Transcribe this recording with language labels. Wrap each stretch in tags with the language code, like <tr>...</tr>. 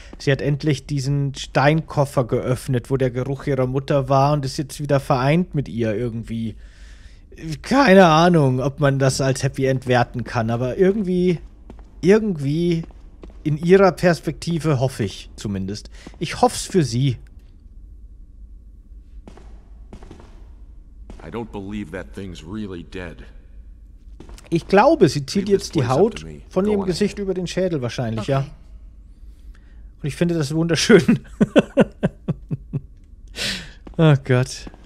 <de>Sie hat endlich diesen Steinkoffer geöffnet, wo der Geruch ihrer Mutter war und ist jetzt wieder vereint mit ihr irgendwie. Keine Ahnung, ob man das als Happy End werten kann, aber irgendwie in ihrer Perspektive hoffe ich zumindest. Ich hoffe es für sie.</de> <en>I don't believe that thing's really dead.</en> <de>Ich glaube, sie zieht jetzt die Haut von ihrem Gesicht über den Schädel wahrscheinlich, ja. Und ich finde das wunderschön. Oh Gott.</de>